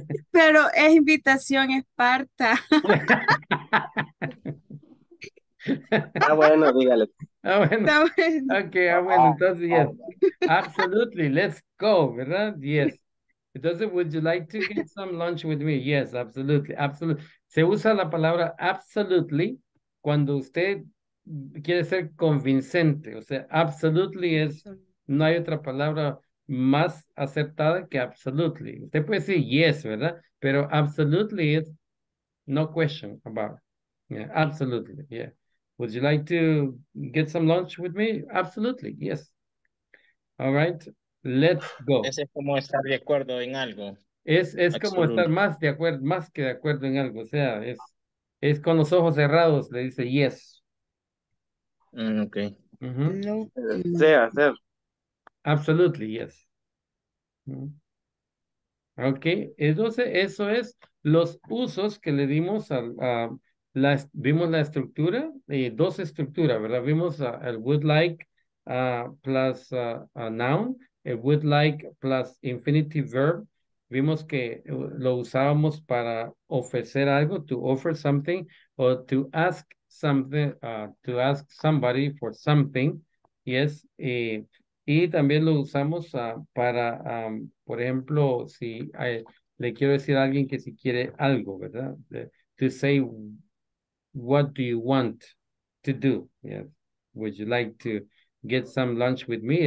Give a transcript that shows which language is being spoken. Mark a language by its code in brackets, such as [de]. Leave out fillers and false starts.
[es] Pero es invitación Esparta. Ah, bueno, dígale. Ah, bueno. Está bueno. Okay, ah, bueno, entonces, yes. [en] Absolutely, let's go, [es] ¿verdad? Yes. [en] Entonces, would you like to get some lunch with me? Yes, absolutely, absolutely. [es] Se usa la palabra absolutely cuando usted quiere ser convincente. O sea, absolutely es, no hay otra palabra más acertada que absolutely. Usted puede decir yes, ¿verdad? Pero absolutely es [en] no question about it. Yeah, absolutely, yeah. Would you like to get some lunch with me? Absolutely, yes. All right, let's go. [es] Es como estar de acuerdo en algo. Es como estar más de acuerdo, más que de acuerdo en algo. O sea, es con los ojos cerrados, le dice yes. Ok. Sea. [en] Absolutely, yes. [es] Ok, entonces eso es los usos que le dimos al... vimos la estructura, dos estructuras, ¿verdad? Vimos el [en] would like plus a noun, el would like plus infinitive verb. [es] Vimos que lo usábamos para ofrecer algo, [en] to offer something, [es] o [en] to ask something, to ask somebody for something. [es] Yes, y también lo usamos para, por ejemplo, si le quiero decir a alguien que si quiere algo, ¿verdad? [en] To say, what do you want to do? Yeah. Would you like to get some lunch with me?